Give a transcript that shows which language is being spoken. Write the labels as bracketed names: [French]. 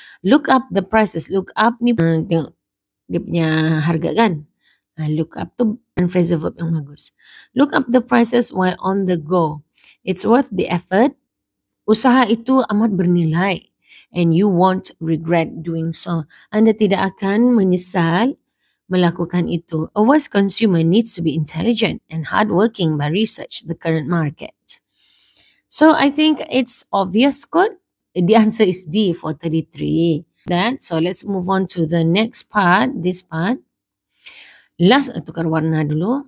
[English] Look up the prices, look up [Malay] ni tengok dia punya harga kan. Look up tu and phrasal verb yang bagus. [English] Look up the prices while on the go. It's worth the effort. [Malay] Usaha itu amat bernilai. [English] And you won't regret doing so. [Malay] Anda tidak akan menyesal melakukan itu. [English] A wise consumer needs to be intelligent and hardworking by research the current market. So I think it's obvious [Malay] kot. [English] The answer is D for 33. That. So let's move on to the next part. This part. Last, [Malay] tukar warna dulu.